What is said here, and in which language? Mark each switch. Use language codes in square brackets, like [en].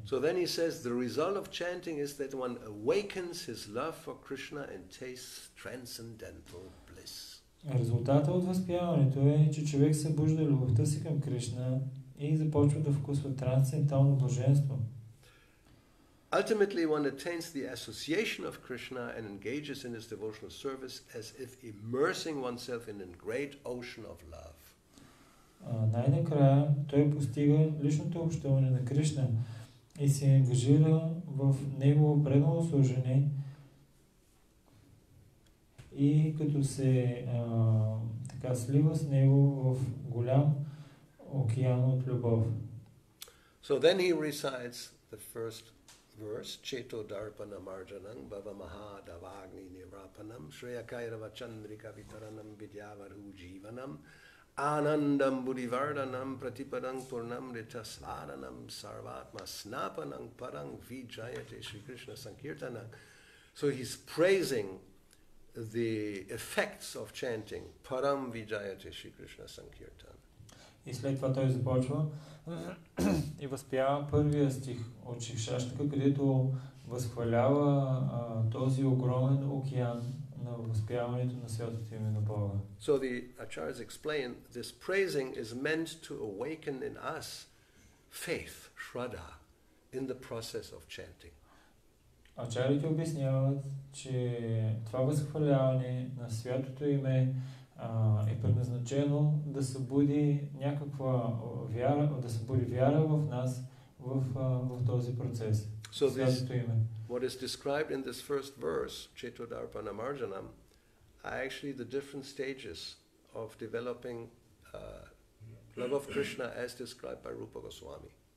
[en] So then he says the result of chanting is that one awakens his love for Krishna and tastes transcendental bliss. [bg] Резултатът от възпяването е, че човек събужда любовта си към Кришна и започва да вкусва трансцендентално блаженство. [en] Ultimately one attains the association of Krishna and engages in his devotional service as if immersing oneself in a great ocean of love. [bg] Най-накрая той постига личното общуване на Кришна и се ангажира в негово предново служение. И като се така слива с него в голям океан от любов. [en] So then he recites the first verse, [sa] Cheto Darpana Marjanam Bhava Mahadavagni Nirapanam Shreya Kairava Chandrika Vitaranam Vidyavaru Jivanam Anandam Budivardanam Pratipadang Purnam Ritasvaranam Sarvatma Snapanam Parang Vijayate Shri Krishna Sankirtanam. [en] So he's praising the effects of chanting [sa] Param Vijayate Shri Krishna Sankirtan. [bg] И след това той започва и възпява първия стих от Шикшаштака, където възхвалява този огромен океан на възпяването на святото име на Бога. [en] So the acharyas explain this praising is meant to awaken in us faith, shraddha, in the process of chanting. [bg] Ачарите обясняват, че това възхваляване на святото име е предназначено да събуди някаква вяра, да събуди вяра в нас в, в този процес. So святото име. [en] What is described in this first verse, [sa] Cheto Darpana Marjanam, [en] are actually the different stages of developing love of Krishna as described by Rupa Goswami.